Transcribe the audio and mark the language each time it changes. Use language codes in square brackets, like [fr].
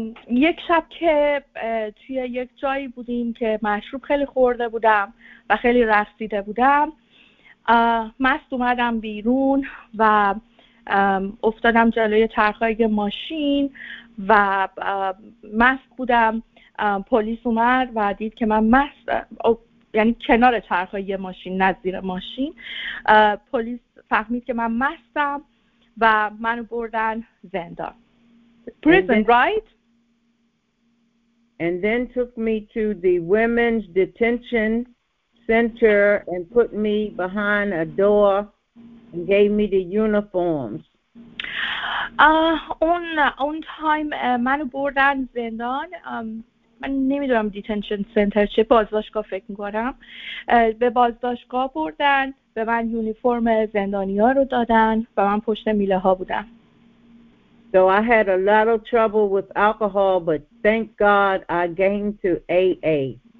[fa] یک شب که توی یک جایی بودیم که مشروب خیلی خورده بودم و خیلی رقصیده بودم، مست اومدم بیرون و افتادم جلوی چرخای ماشین و مست بودم. پلیس اومد و دید که من مست، یعنی کنار چرخای یه ماشین، نه زیر ماشین. پلیس فهمید که من مستم و منو بردن زندان. [en] Prison, right? And then took me to the women's detention center and put me behind a door and gave me the uniforms. On time [fa] منو بردن زندان من نمیدونم دیتنشن سنتر چه بازداشتگاه فکر میکنم به بازداشتگاه بردن به من یونیفرم زندانی ها رو دادن و من پشت میله ها بودم [en] So I had a lot of trouble with alcohol but thank God I came to AA